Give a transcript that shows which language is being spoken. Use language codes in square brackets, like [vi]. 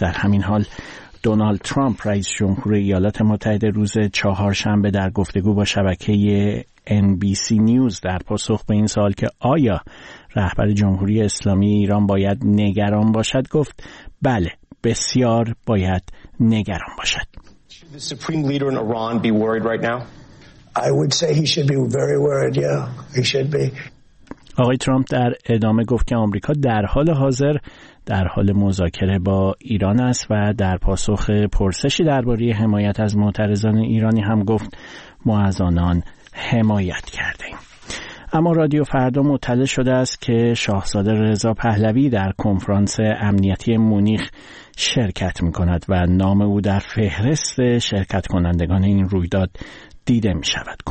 [fa] در همین حال دونالد ترامپ رئیس جمهور ایالات متحده روز چهارشنبه در گفتگو با شبکه NBC نیوز در پاسخ به این سوال که آیا رهبر جمهوری اسلامی ایران باید نگران باشد گفت بله، بسیار باید نگران باشد. [en] The supreme leader in Iran be worried right now? I would say he should be very worried. Yeah, he should be. [fa] آقای ترامپ در ادامه گفت که آمریکا در حال حاضر در حال مذاکره با ایران است و در پاسخ پرسشی درباره حمایت از معترضان ایرانی هم گفت ما از آنان حمایت کردیم. اما رادیو فردا مطلع شده است که شاهزاده رضا پهلوی در کنفرانس امنیتی مونیخ شرکت می‌کند و نام او در فهرست شرکت کنندگان این رویداد دیده می‌شود.